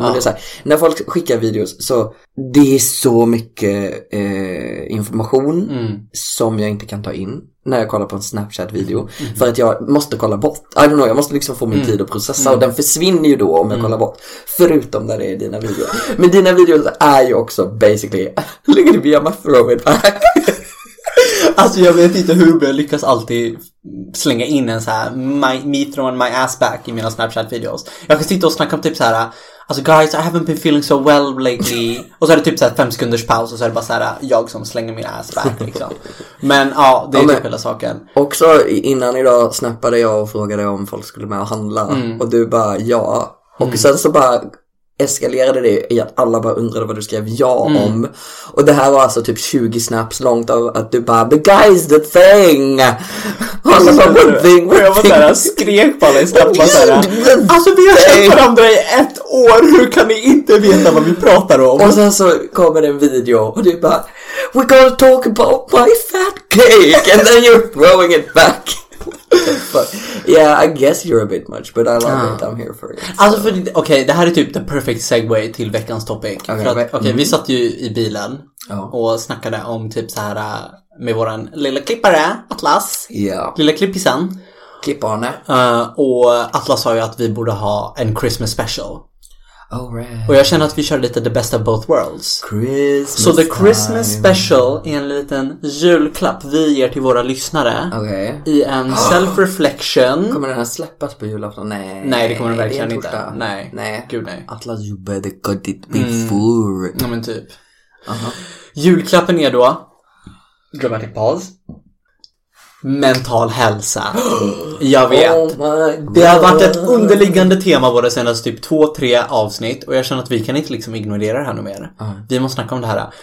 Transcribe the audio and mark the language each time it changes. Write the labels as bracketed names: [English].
[Swedish] Men det är så här, när folk skickar videos så, det är så mycket information som jag inte kan ta in. När jag kollar på en Snapchat-video. För att jag måste kolla bort. [English] I don't know, [Swedish] jag måste liksom få min tid att processa. Och den försvinner ju då om jag kollar bort. Förutom när det är dina videor. Men dina videor är ju också basically... Ligger du via [English] my throw it back? [Swedish] Alltså, jag vet inte hur jag lyckas alltid slänga in en så här [English] me throwing my ass back [Swedish] i mina Snapchat-videos. Jag kan sitta och snacka om typ så här... [English] Alltså, guys, I haven't been feeling so well lately. [Swedish] Och så är det typ så här 5 sekunders paus, och så är det bara så här, jag som slänger mina ass back liksom. Men ja, det är typ hela saken. Också innan idag snappade jag och frågade om folk skulle med och handla. Och du bara, ja. Och sen så bara eskalerade det i att alla bara undrade vad du skrev ja om. Och det här var alltså typ 20 snaps långt av att du bara, [English] the guys, the thing. [Swedish] Alltså, så bara, thing, och jag var såhär, skrek på alla i snapp. Alltså, vi har känt varandra i 1 år. Hur kan ni inte veta vad vi pratar om? Och sen så kommer en video och du bara, [English] we gonna talk about my fat cake. And then you're throwing it back. But, yeah, I guess you're a bit much, but I love it, I'm here for it. [Swedish] Alltså, so. Okej, det här är typ [English] the perfect segue [Swedish] till veckans topic. Vi satt ju i bilen och snackade om typ så här med våran lilla klippare, Atlas. Lilla klippisen. Klipparne. Och Atlas sa ju att vi borde ha en Christmas special. [English] Oh, right. [Swedish] Och jag känner att vi kör lite [English] the best of both worlds. Christmas. [Swedish] Så [English] the Christmas time. [Swedish] Special är en liten julklapp vi ger till våra lyssnare. [English] Okay. [Swedish] I en self-reflection. Kommer den här släppas på julafton? Nej. Nej, det kommer den verkligen inte. Nej. Nej. Gud nej. [English] Atlas, you better got it before. [Swedish] Ja, men typ. Julklappen är då, [English] dramatic pause, [Swedish] mental hälsa. Jag vet. Det har varit ett underliggande tema våra senaste typ 2-3 avsnitt, och jag känner att vi kan inte liksom ignorera det här nu mer. Vi måste snacka om det här.